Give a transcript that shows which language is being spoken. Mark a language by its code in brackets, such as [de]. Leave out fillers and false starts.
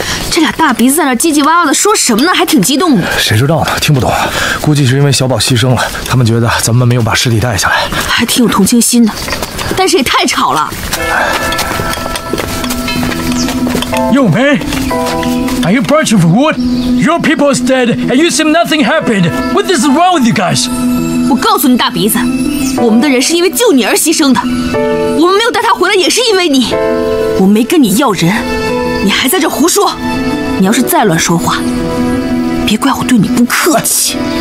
[zh] 这俩大鼻子在那唧唧歪歪的说什么呢？还挺激动的。谁知道呢？听不懂。估计是因为小宝牺牲了，他们觉得咱们没有把尸体带下来。还挺有同情心的，但是也太吵了。 [en] You men, are you a bunch of wood? Your people is dead, and you seem nothing happened. What is wrong with you guys? [zh] 我告诉你，大鼻子，我们的人是因为救你而牺牲的。我们没有带他回来，也是因为你。我没跟你要人。你还在这胡说，你要是再乱说话，别怪我对你不客气。